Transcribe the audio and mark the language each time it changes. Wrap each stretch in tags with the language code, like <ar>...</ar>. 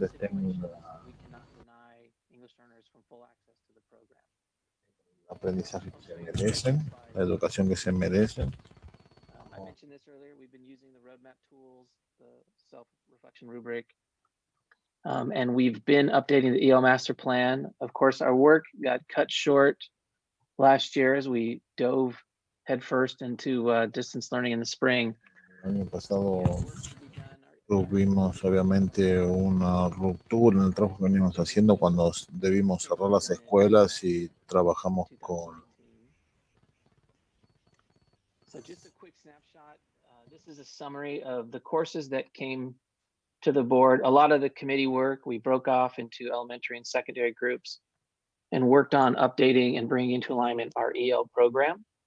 <en>English learners from full access to the program.</en> <es>Aprendizaje que merecen, la educación que se merecen.</es> <en>I mentioned this earlier, we've been using the roadmap tools, the self-reflection rubric, and we've been updating the EL master plan. Of course, our work got cut short last year, as we dove headfirst into distance learning in the spring.</en> <es>El año pasado tuvimos obviamente una ruptura en el trabajo que veníamos haciendo cuando debimos cerrar las escuelas y trabajamos con.</es> <en>So just a quick snapshot. This is a summary of the courses that came to the board. A lot of the committee work we broke off into elementary and secondary groups and worked on updating and bringing into alignment our EL program.</en>